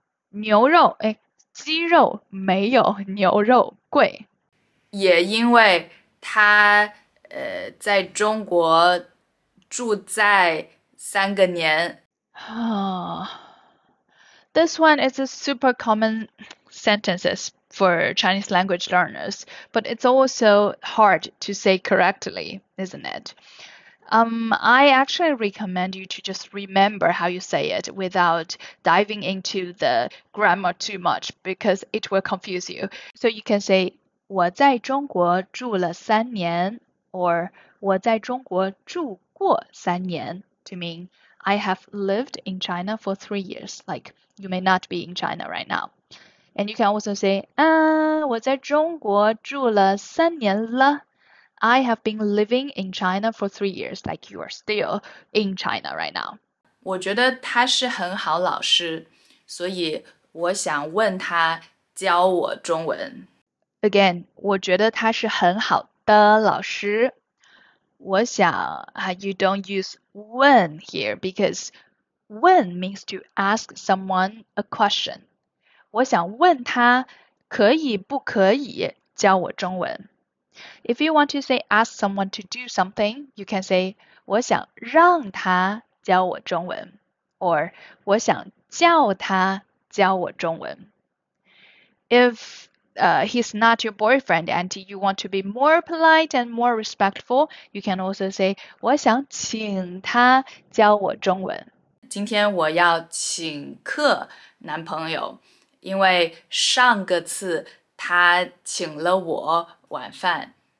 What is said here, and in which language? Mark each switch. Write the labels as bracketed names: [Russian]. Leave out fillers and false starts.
[Chinese] 牛肉，哎，鸡肉没有牛肉贵。也因为他在中国住在三个年。 [English] This one is a super common sentences for Chinese language learners, but it's also hard to say correctly, isn't it? I actually recommend you to just remember how you say it without diving into the grammar too much because it will confuse you. So you can say, [Chinese] 我在中国住了三年。 [English] Or, [Chinese] 我在中国住过三年, [English] to mean, I have lived in China for 3 years. Like, you may not be in China right now. And you can also say, [Chinese] 我在中国住了三年了。 [English] I have been living in China for 3 years. Like, you are still in China right now. [Chinese] 我觉得他是很好老师,所以我想问他教我中文。 [English] Again, [Chinese] 我觉得他是很好的老师，我想 [English] you don't use 问 here because 问 means to ask someone a question. [Chinese] 我想问他可以不可以教我中文。 [English] If you want to say ask someone to do something, you can say [Chinese] 我想让他教我中文 [English] or [Chinese] 我想叫他教我中文。 [English] If he's not your boyfriend and you want to be more polite and more respectful, you can also say [Chinese] 我想请他教我中文。今天我要请客男朋友，因为上个次他请了我晚饭。